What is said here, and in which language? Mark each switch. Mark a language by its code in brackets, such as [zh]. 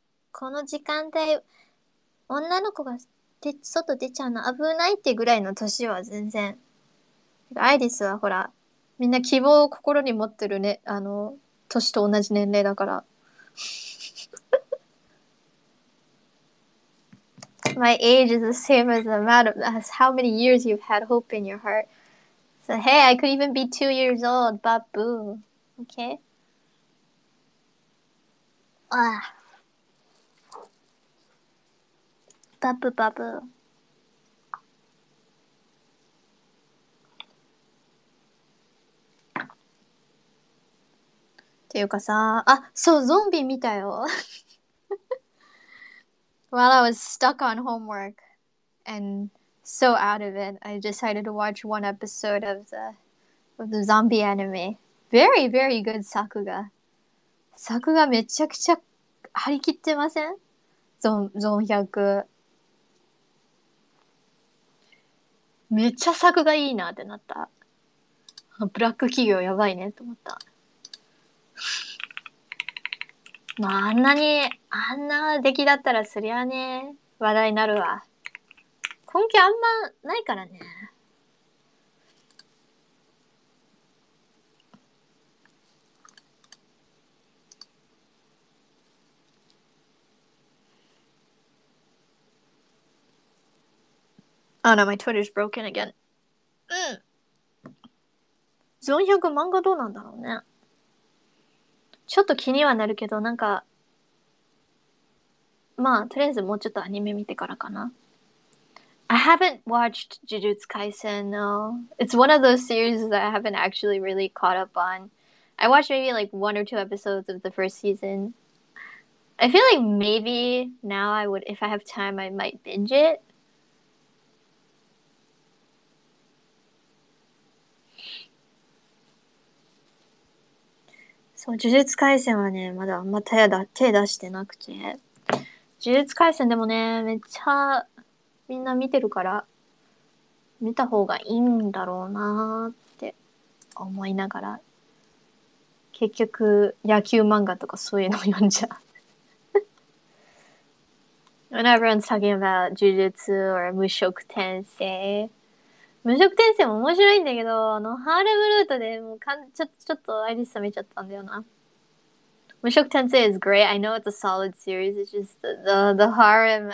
[ja] この時間帯、女の子が外出ちゃうの危ないってぐらいの年は全然。アイリスはほら、みんな希望を心に持ってるね、あの、年と同じ年齢だから。 [en] My age is the same as the amount of as how many years you've had hope in your heart. So hey, I could even be 2 years old, but boo. Okay? Ah. Babu, babu. [ja] ていうかさ、あ、そう、ゾンビ見たよ。 [en] While I was stuck on homework and so out of it, I decided to watch one episode of the zombie anime. Very, very good sakuga. [ja] Sakuga めちゃくちゃ張り切ってません？ゾン100。めっちゃ作画いいなってなった。ブラック企業やばいねって思った。まあ、あんな出来だったらすりゃね、話題になるわ。根拠あんまないからね。 [en] Oh no, my Twitter's broken again. うん。 [ja] ゾン100漫画どうなんだろうね。ちょっと気にはなるけど、なんか、まあ、とりあえずもうちょっとアニメ見てからかな。 [en] I haven't watched Jujutsu Kaisen, no. It's one of those series that I haven't actually really caught up on. I watched maybe like one or two episodes of the first season. I feel like maybe now I would, if I have time, I might binge it. [ja] そう、Jujutsu Kaisen はね、まだあんま手出してなくて。呪術廻戦でもね、めっちゃみんな見てるから、見た方がいいんだろうなーって思いながら、結局野球漫画とかそういうの読んじゃう。 [en] When everyone's talking about 呪術 or 無職転生。 [ja] 無職転生も面白いんだけど、あのハーレムルートでもうちょっとアイリス冷めちゃったんだよな。 [en] 無職転生 is great. I know it's a solid series. It's just the harem.